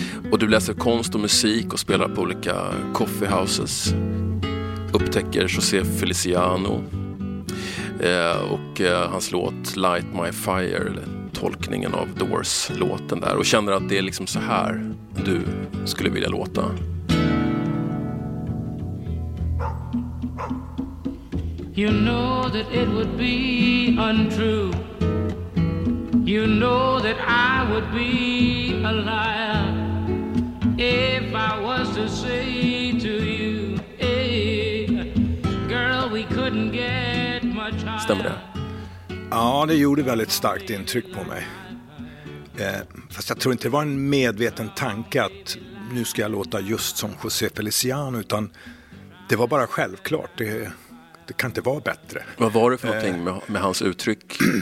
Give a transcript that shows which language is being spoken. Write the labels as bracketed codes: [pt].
[sv] Och du läser konst och musik och spelar på olika coffee houses. Upptäcker José Feliciano och hans låt Light My Fire, eller tolkningen av Doors-låten där, och känner att det är liksom så här du skulle vilja låta. [en] You know that it would be untrue. You know that I would be a liar if I was to say to you, hey, girl, we couldn't get much higher. [sv] Stämmer det? Ja, det gjorde väldigt starkt intryck på mig. Fast jag tror inte det var en medveten tanke att nu ska jag låta just som José Feliciano, utan det var bara självklart. Det kan inte vara bättre. Vad var det för någonting med hans uttryck?